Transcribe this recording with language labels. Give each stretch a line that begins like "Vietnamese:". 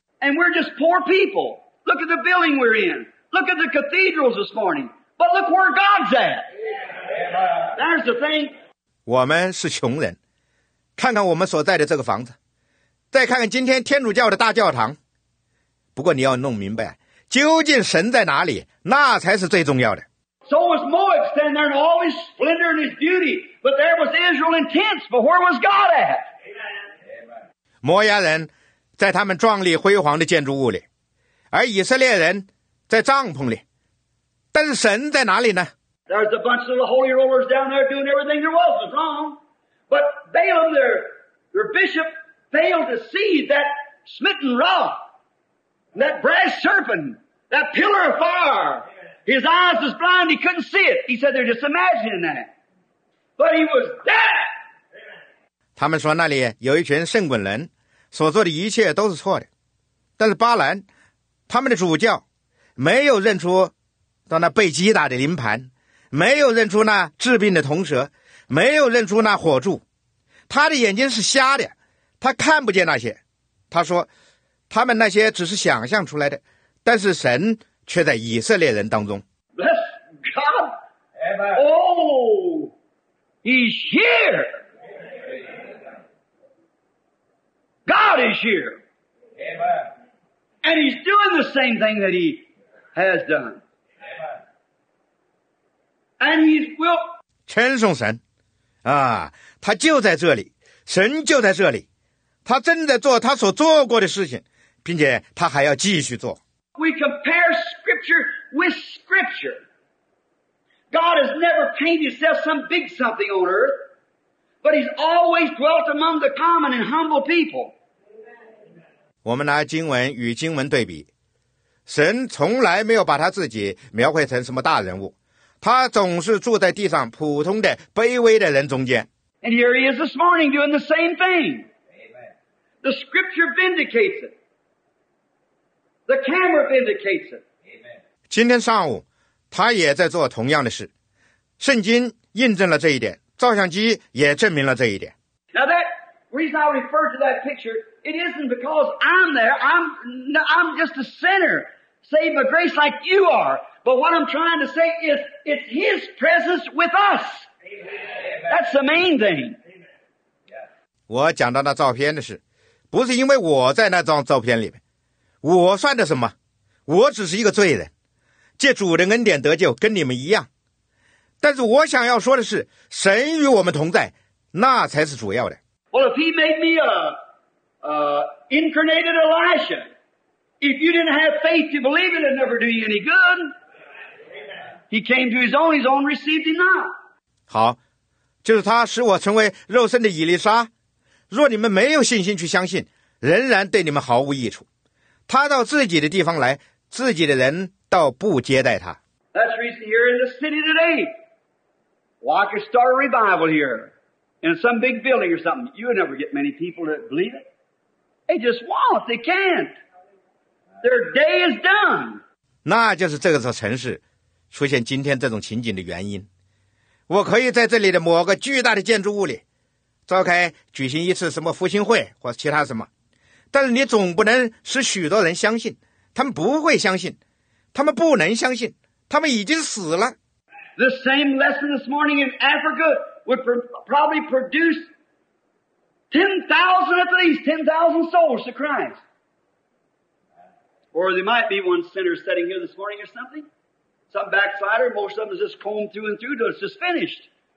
English: And we're just poor people. Look at the building we're in. Look at the cathedrals this morning. But look where God's at. That's the thing.
Chinese: 我们是穷人，看看我们所在的这个房子，再看看今天天主教的大教堂。不过你要弄明白，究竟神在哪里，那才是最重要的。
English: So was Moab standing there in all his splendor and his beauty, but there was Israel in tents, but where was God at? Amen.
Chinese: 摩押人在他们壮丽辉煌的建筑物里，而以色列人在帐篷里，但是神在哪里呢？
English: There's a bunch of the holy rollers down there doing everything there was wrong. But Balaam, their bishop, failed to see that smitten rock, that brass serpent, that pillar of fire. His eyes was blind, he couldn't see it. He said, they're just imagining that. But he was dead!
Chinese: 他们说那里有一群圣滚人，所做的一切都是错的。但是巴兰，他们的主教，没有认出到那被击打的灵盘。没有认出那治病的铜蛇，没有认出那火柱，他的眼睛是瞎的，他看不见那些。他说，他们那些只是想象出来的，但是神却在以色列人当中。
English: Bless God! Oh! He's here! God is here! And he's doing the same thing that he has done. And he will.
Chinese: 称颂神，啊，他就在这里，神就在这里，他正在做他所做过的事情，并且他还要继续做。
English: We compare scripture with scripture. God has never painted himself some big something on earth, but he's always dwelt among the common and humble people.
Chinese: 我们拿经文与经文对比，神从来没有把他自己描绘成什么大人物。他总是住在地上普通的卑微的人中间。
English: And here he is this morning doing the same thing. The scripture vindicates it. The camera vindicates it. 今天上午他也在做同样的事。圣经印证了这一点，照相机也证明了这一点。 Now that reason I refer to that picture, it isn't because I'm there, I'm just a sinner, saved by grace like you are. But what I'm trying to say is, it's His presence with us. Amen. That's the main thing. Amen. Yeah.
Chinese: 我讲到那照片的事，不是因为我在那张照片里面，我算的什么？我只是一个罪人，借主的恩典得救，跟你们一样。但是我想要说的是，神与我们同在，那才是主要的。
English: Well, if He made me a incarnated Elisha. If you didn't have faith to believe it, it'd never do you any good. He came to his own received him not.
Chinese: 好，就是他使我成为肉身的以利沙。若你们没有信心去相信，仍然对你们毫无益处。他到自己的地方来，自己的人倒不接待他。
English: That's the reason here in the city today. Why could start a revival here in some big building or something? You would never get many people to believe it. They just won't. They can't. Their day is done.
Chinese: 那就是这个城市出现今天这种情景的原因。我可以在这里的某个巨大的建筑物里召开举行一次什么复兴会或其他什么，但是你总不能使许多人相信，他们不会相信，他们不能相信，他们已经死了。
English: The same lesson this morning in Africa would probably produce 10,000 at least, 10,000 souls to Christ. Or there might be one sinner sitting here this morning or something. Some backslider, most of them is just combed through and through till it's just finished.